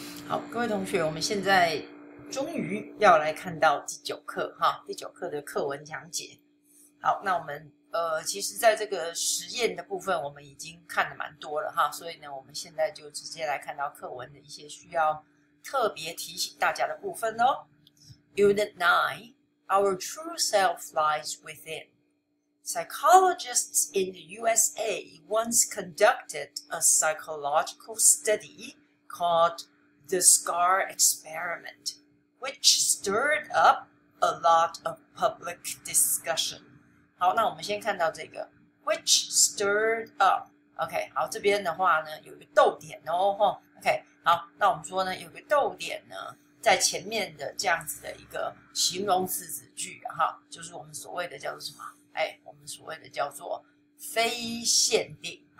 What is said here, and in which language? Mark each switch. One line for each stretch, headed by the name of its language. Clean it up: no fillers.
Chinese: 好，各位同学，我们现在终于要来看到第九课哈，第九课的课文讲解。好，那我们其实在这个实验的部分我们已经看的蛮多了哈，所以呢我们现在就直接来看到课文的一些需要特别提醒大家的部分哦。
English: Unit 9, Our True Self Lies Within. Psychologists in the USA once conducted a psychological study called the Scar Experiment, which stirred up a lot of public discussion.
Chinese: 好，那我们先看到这个
English: which stirred up.
Chinese: OK, 好，这边的话呢有个逗点哦。OK, 好，那我们说呢有个逗点呢在前面的这样子的一个形容词子句哈，就是我们所谓的叫做什么，哎，我们所谓的叫做非限定。